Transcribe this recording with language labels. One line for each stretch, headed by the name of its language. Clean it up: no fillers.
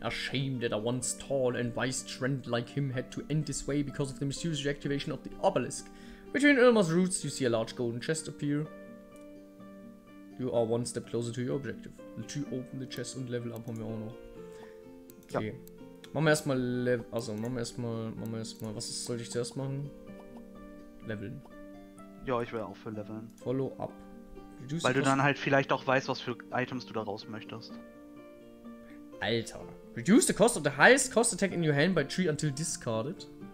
English: Ashamed that a once tall and wise trend like him had to end this way because of the mysterious reactivation of the obelisk. Between Elmer's roots, you see a large golden chest appear. You are one step closer to your objective. To open the chest and level up
German: haben wir auch noch.
English: Okay. Ja.
German: Machen wir erstmal, was ist, sollte ich zuerst machen? Leveln. Ja, ich will auch für leveln.
English: Follow up.
German: Reduce Weil du dann halt vielleicht auch weißt, was für Items du da raus möchtest. Alter.
English: Reduce the cost of the highest cost attack in your hand by 3 until discarded.